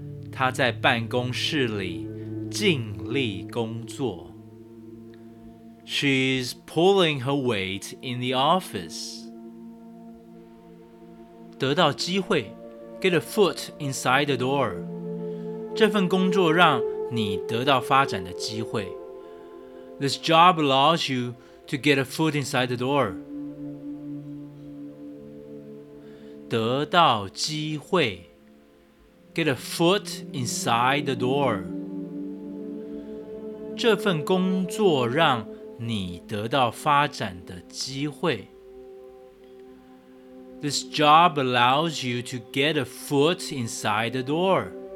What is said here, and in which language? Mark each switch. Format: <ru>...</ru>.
<zh>他在办公室里尽力工作。</zh> <en>She's pulling her weight in the office. 得到机会 get a foot inside the door.</en> <zh>这份工作让你得到发展的机会。</zh> <en>This job allows you to get a foot inside the door. 得到机会 Get a foot inside the door.</en> <zh>这份工作让你得到发展的机会。</zh> <en>This job allows you to get a foot inside the door.</en>